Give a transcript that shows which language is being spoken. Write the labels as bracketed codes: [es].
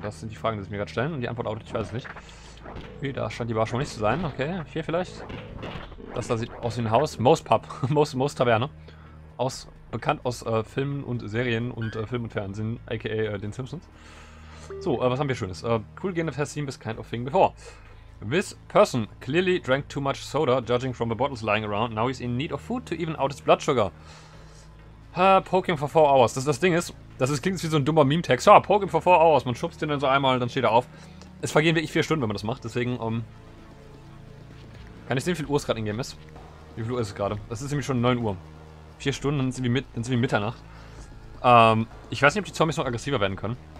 [de] Das sind die Fragen, die sich mir gerade stellen. Und die Antwort auch, ich weiß es nicht. Okay, da scheint die Bar schon nicht zu sein. Okay, hier vielleicht. Das da sieht aus wie ein Haus. Most Pub. Most Taverne. Bekannt aus Filmen und Serien und Film und Fernsehen, a.k.a. den Simpsons. So, was haben wir Schönes? Cool Game of Has Seen This Kind of Thing Before. [en] This person clearly drank too much soda, judging from the bottles lying around. Now he's in need of food to even out his blood sugar. Poke him for 4 hours. [de] Das Ding ist, das klingt wie so ein dummer Meme-Text. Ja, [en] poke him for 4 hours. [de] Man schubst den dann so einmal, dann steht er auf. Es vergehen wirklich 4 Stunden, wenn man das macht. Deswegen, kann ich sehen, wie viel Uhr es gerade in Game ist. Wie viel Uhr ist es gerade? Es ist nämlich schon 9 Uhr. 4 Stunden, dann sind wir Mitternacht. Ich weiß nicht, ob die Zombies noch aggressiver werden können.